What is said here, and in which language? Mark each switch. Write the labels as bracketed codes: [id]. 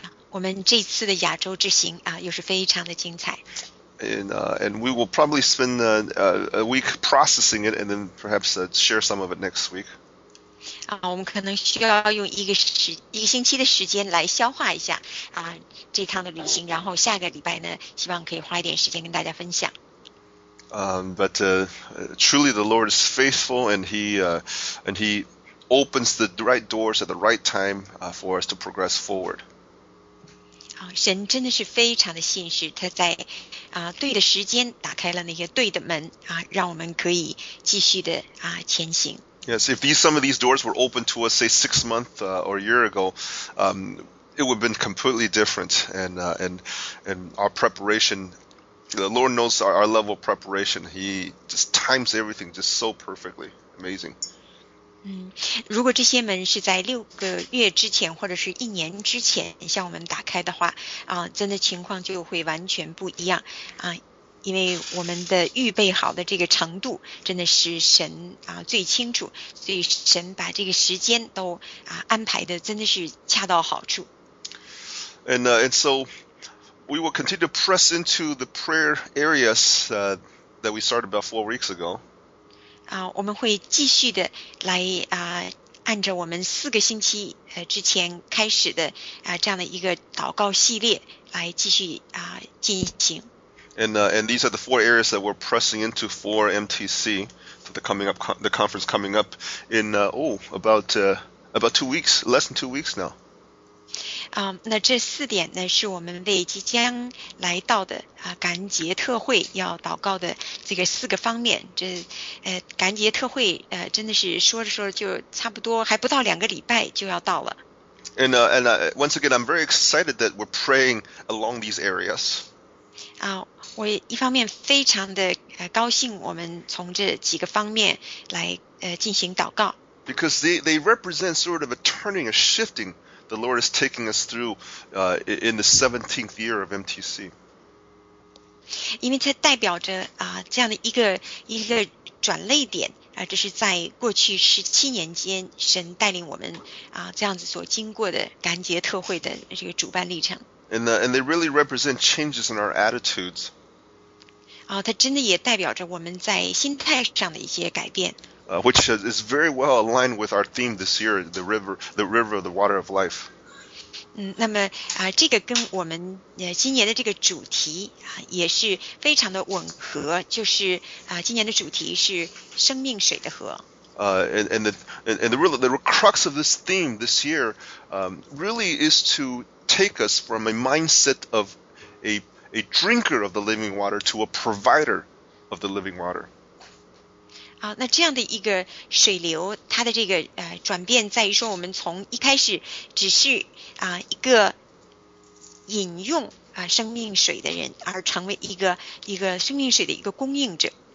[zh] 我们这次的亚洲之行又是非常的精彩。 [en] And we will probably spend a week processing it and then perhaps share some of it next week. [zh] 我们可能需要用一个星期的时间来消化一下这趟的旅行，然后下个礼拜呢，希望可以花一点时间跟大家分享。 [en] But truly the Lord is faithful and he opens the right doors at the right time for us to progress forward. [zh] 神真的是非常的信实，他在对的时间打开了那些对的门让我们可以继续的前行。 [en] Yes, if some of these doors were open to us, say 6 months or a year ago, it would have been completely different. And our preparation, the Lord knows our level of preparation. He just times everything just so perfectly. Amazing. [zh] 如果这些门是在六个月之前或者是一年之前向我们打开的话，真的情况就会完全不一样。因为我们的预备好的这个程度真的是神最清楚，所以神把这个时间都安排的真的是恰到好处。 [en] And so we will continue to press into the prayer areas that we started about 4 weeks ago. [zh] 我们会继续的来按照我们四个星期之前开始的这样的一个祷告系列来继续进行。 [en] And these are the four areas that we're pressing into for MTC for the conference coming up in about 2 weeks, less than 2 weeks now. [zh] 那这四点呢是我们为即将来到的感恩节特会要祷告的这个四个方面。这感恩节特会真的是说着说着就差不多还不到两个礼拜就要到了。 [en] And once again, I'm very excited that we're praying along these areas. [zh] 我一方面非常的高兴我们从这几个方面来进行祷告。 [en] Because they represent sort of a turning, a shifting the Lord is taking us through in the 17th year of MTC. [zh] 因为它代表着这样的一个转捩点这是在过去17年间神带领我们这样子所经过的感恩节特会的这个主办历程。 [en] And they really represent changes in our attitudes. [zh] 它真的也代表着我们在心态上的一些改变。 [en] Which is very well aligned with our theme this year, the river, the water of life. [zh] 那么这个跟我们今年的这个主题也是非常的吻合，就是今年的主题是生命水的河。 [en] And the real crux of this theme this year, really is to take us from a mindset of a drinker of the living water to a provider of the living water. [zh] 啊，那这样的一个水流，它的这个转变在于说，我们从一开始只是啊一个饮用啊生命水的人，而成为一个生命水的一个供应者。